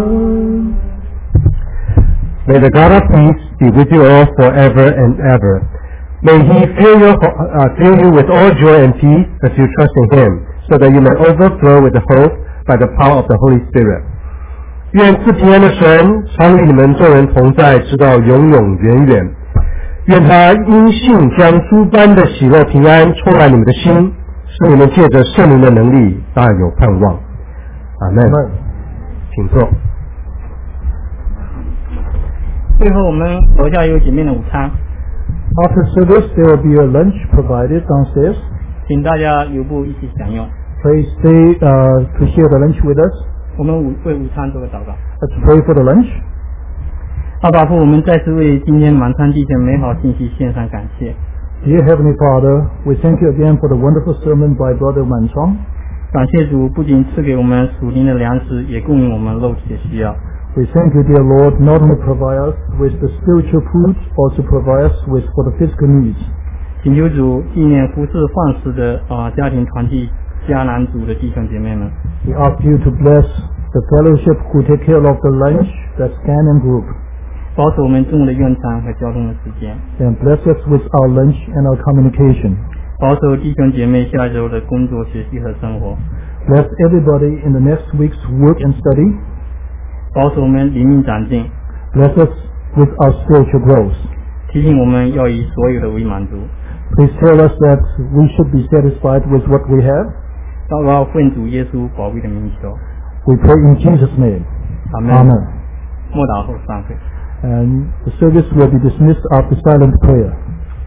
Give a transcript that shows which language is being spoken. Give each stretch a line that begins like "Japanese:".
English: May the God of peace be with you all forever and ever. May He fill you with all joy and peace as you trust in Him, so that you may overflow with the hope by the power of the Holy Spirit.
Chinese: 愿赐平安的神常与你们众人同在，直到永永远远。愿他因信将诸般的喜乐平安充满你们的心，使你们借着圣灵的能力大有盼望。阿门。请坐。最后我们楼下有姐妹的午餐。
English: After service, there will be a lunch provided downstairs.
Chinese: 请大家留步一起享用。
English: Please stay to share the lunch with us.
Chinese: 我们为午餐做个祷告。
English: Let's pray for the lunch.
Chinese: 爸父，我们再次为今天晚餐弟兄美好信息献上感谢。
English: Dear Heavenly Father, we thank you again for the wonderful sermon by Brother Wan Chong.
Chinese: 感谢主不仅赐给我们属灵的粮食，也供应我们肉体的需要。
English: We thank you, dear Lord, not only provide us with the spiritual food, also provide us with for the physical needs.
Chinese: 请求主纪念服侍饭食的家庭团体迦南族的弟兄姐妹们。
English: We ask you to bless the fellowship who take care of the lunch, the Scannon group.
Chinese: 保守我们中午的用餐和交通的时间。
English: And bless us with our lunch and our communication.
Chinese: 保守弟兄姐妹下周的工作、学习和生活。
English: Bless everybody in the next week's work and study.
Chinese: 保守我们灵命长进。
English: Bless us with our spiritual growth.
Chinese: 提醒我们要以所有的为满足。
English: Please tell us that we should be satisfied with what we have.
Chinese: 祷告奉主耶稣宝贵的名求。
English: We pray in Jesus' name. Amen. Amen.
Chinese: 默祷后散会。
English: And the service will be dismissed after silent prayer.